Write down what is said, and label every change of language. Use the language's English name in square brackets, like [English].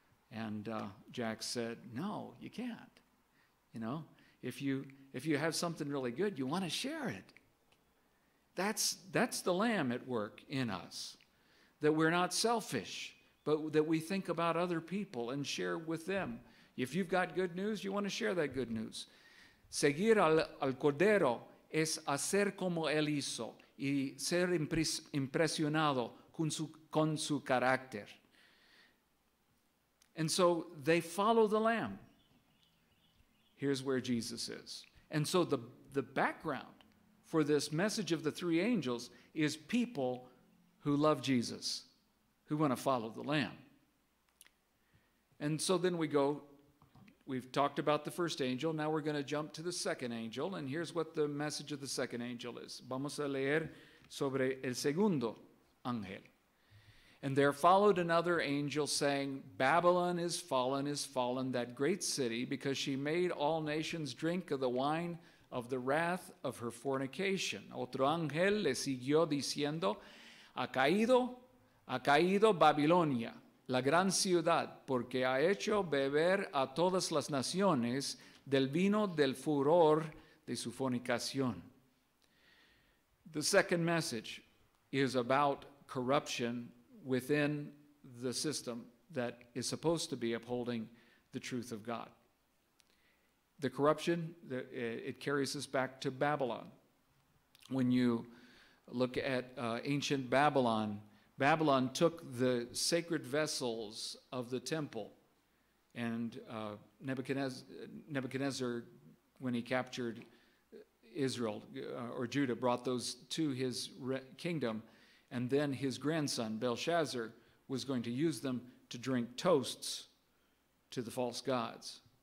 [English] And Jack said, no, you can't. You know, if you have something really good, you want to share it. That's the Lamb at work in us, that we're not selfish, but that we think about other people and share with them. If you've got good news, you want to share that good news. [Spanish] Seguir al Cordero es hacer como él hizo y ser impresionado con su carácter. [English] And so they follow the Lamb. Here's where Jesus is. And so the background for this message of the three angels is people who love Jesus, who want to follow the Lamb. And so then we go, we've talked about the first angel, now we're going to jump to the second angel, and here's what the message of the second angel is. [Spanish] Vamos a leer sobre el segundo ángel. [English] And there followed another angel saying, Babylon is fallen, that great city, because she made all nations drink of the wine of the wrath of her fornication. [Spanish] Otro ángel le siguió diciendo, Ha caído Babilonia, la gran ciudad, porque ha hecho beber a todas las naciones del vino del furor de su fornicación. [English] The second message is about corruption within the system that is supposed to be upholding the truth of God. The corruption, it carries us back to Babylon. When you look at ancient Babylon, Babylon took the sacred vessels of the temple, and Nebuchadnezzar, when he captured Israel or Judah, brought those to his kingdom, and then his grandson, Belshazzar, was going to use them to drink toasts to the false gods.